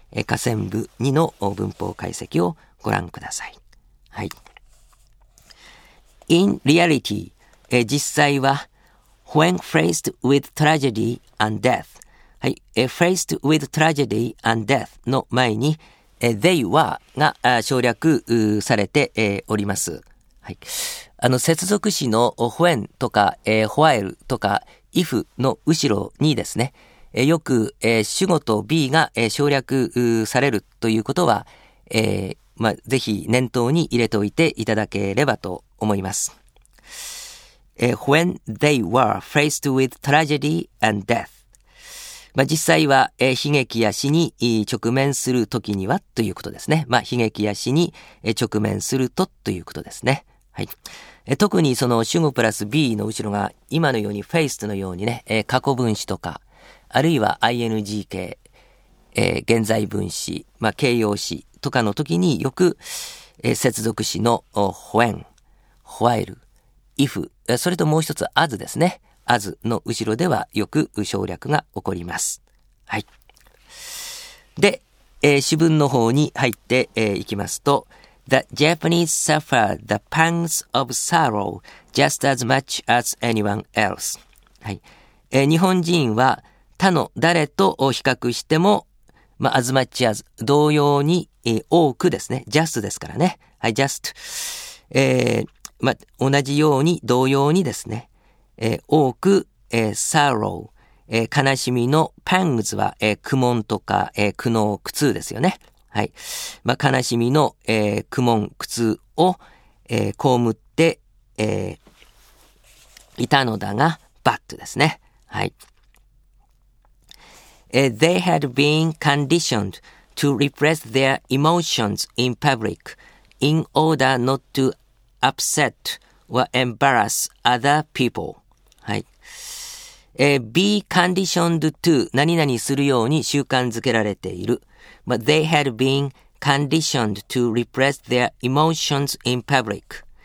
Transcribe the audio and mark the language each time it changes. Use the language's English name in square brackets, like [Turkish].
[Japanese] 下線部2の文法解析をご覧ください。はい。 [English] In reality、 [Japanese] 実際は [English] When faced with tragedy and death、 はい、faced with tragedy and death [Japanese] の前に [English] they were [Japanese] が省略されております。はい。接続詞の when とか while とか if の後ろにですね、よく主語と be が省略されるということは、まあ、ぜひ念頭に入れておいていただければと思います。 [English] When they were faced with tragedy and death、 [Japanese] まあ、実際は悲劇や死に直面するときにはということですね。まあ、悲劇や死に直面するとということですね。はい。特にその主語プラス be の後ろが今のように faced のようにね、過去分詞とかあるいは ing 形、現在分詞、まあ、形容詞とかの時によく、接続詞の when、while、if、それともう一つ as ですね。 as の後ろではよく省略が起こります。はい。で、主文の方に入って、いきますと、 [English] The Japanese suffer the pangs of sorrow just as much as anyone else。 [Japanese] はい。日本人は他の誰と比較しても、まあ、 [English] as much as [Japanese] 同様に、多くですね。 just ですからね。はい、just。まあ、同じように、同様にですね。多く、sorrow、悲しみの pangs は、苦悶とか、苦悩、苦痛ですよね。はい。まあ、悲しみの、苦悶、苦痛を、被って、いたのだが、but ですね。はい。 [English] They had been conditioned to repress their emotions in public in order not to upset or embarrass other people. [Japanese] はい。 [English] Be conditioned to [Japanese] 何々するように習慣づけられている。 [English] But they had been conditioned to repress their emotions in public.